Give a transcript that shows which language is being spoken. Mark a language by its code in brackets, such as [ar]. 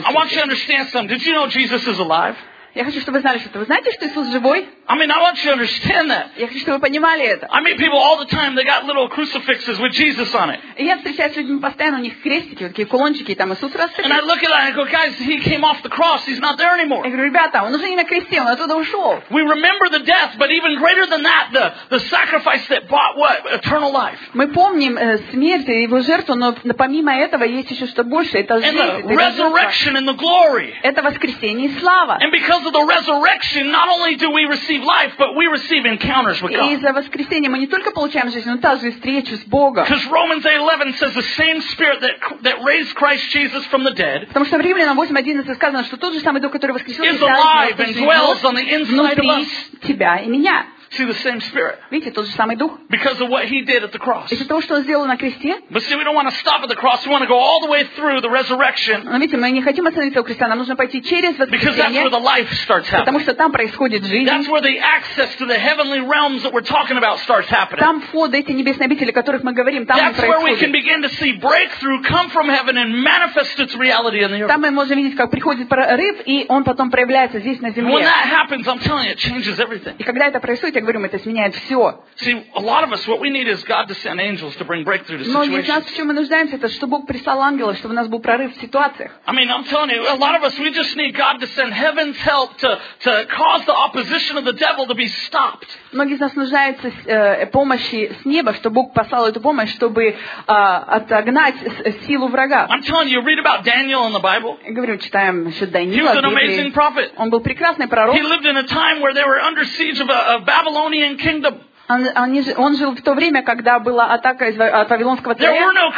[en] So, I want you to understand something. Did you know Jesus is alive? [ru] Я хочу, чтобы вы знали, что вы знаете, что Иисус живой? [en] I mean, I want you to understand that. [ru] Я хочу, чтобы вы понимали это. [en] I meet people all the time, they got little crucifixes with Jesus on it. [ru] И я встречаюсь с людьми постоянно, у них крестики, вот такие кулончики, и там Иисус распят. [en] And I look at it, I go, guys, he came off the cross, he's not there anymore. [ru] Я говорю, ребята, он уже не на кресте, он оттуда ушел. [en] We remember the death, but even greater than that, the sacrifice that bought what? Eternal life. [ru] Мы помним смерть и его жертву, но помимо этого есть еще что больше, это жизнь. [en] And the resurrection and the glory. [ru] Это воскресение и слава. [en] And because of the resurrection, not only do we receive life, but we receive encounters with God. [ru] Из-за воскресения мы не только получаем жизнь, но также встречу с Богом. [en] Because Romans 8:11 says the same Spirit that raised Christ Jesus from the dead. [ru] Потому что в Римлянам 8:11 сказано, что тот же самый Дух, который воскресил Иисуса, живет внутри [en] and dwells on the inside of us. [ru] Тебя и меня. [en] See the same Spirit. [ru] Видите, тот же самый Дух. [en] Because of what He did at the cross. [ru] Из-за того, что Он сделал на кресте. [en] But see, we don't want to [ru] стоп [en] at the cross. We want to go all the way through the resurrection. [ru] Но видите, мы не хотим остановиться у креста. Нам нужно пойти через воскресение. [en] Because that's where the life starts happening. [ru] Потому что там происходит жизнь. [en] That's where the access to the heavenly realms that we're talking about starts happening. [ru] Там вход эти небесные обители, о которых мы говорим, там происходит. [en] That's where we can begin to see breakthrough come from heaven and manifest its reality on the earth. [ru] Там мы можем видеть, как приходит прорыв, и он потом проявляется здесь на земле. [en] When that happens, I'm telling you, it changes everything. [ru] И когда это происходит, говорим, это сменяет все. [en] See, a lot of us, what we need is God to send angels to bring breakthrough to situations. [ru] Многие из нас, в чем мы нуждаемся, это чтобы Бог прислал ангелов, чтобы у нас был прорыв в ситуациях. [en] I mean, I'm telling you, a lot of us, we just need God to send heaven's help to cause the opposition of the devil to be stopped. [ru] Многие из нас нуждаются помощи с неба, чтобы Бог послал эту помощь, чтобы отогнать силу врага. [en] I'm telling you, read about Daniel in the Bible. [ru] Говорю, читаем еще Даниила. [en] He was an amazing prophet. [ru] Он был прекрасный пророк. [en] He lived in a time where they were under siege of a Babylonian kingdom. [ru] Он жил в то время, когда была атака из Вавилонского царя.